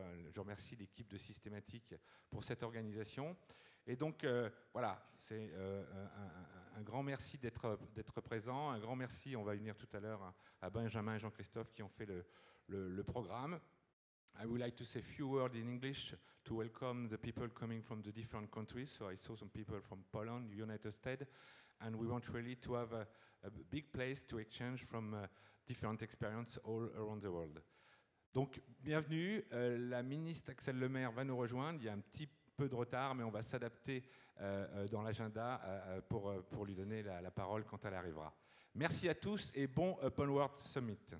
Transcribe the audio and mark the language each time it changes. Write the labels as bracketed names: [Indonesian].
[French] Je remercie l'équipe de Systématique pour cette organisation. Et donc voilà, c'est un grand merci d'être présent, un grand merci, on va venir tout à l'heure à Benjamin et Jean-Christophe qui ont fait le programme. [English] I would like to say a few words in English to welcome the people coming from the different countries. So I saw some people from Poland, United States, and we want really to have a big place to exchange from different experiences all around the world. [French] Donc, bienvenue. La ministre Axel Le Maire va nous rejoindre. Il y a un petit peu de retard, mais on va s'adapter dans l'agenda pour lui donner la parole quand elle arrivera. Merci à tous et bon Open World Summit.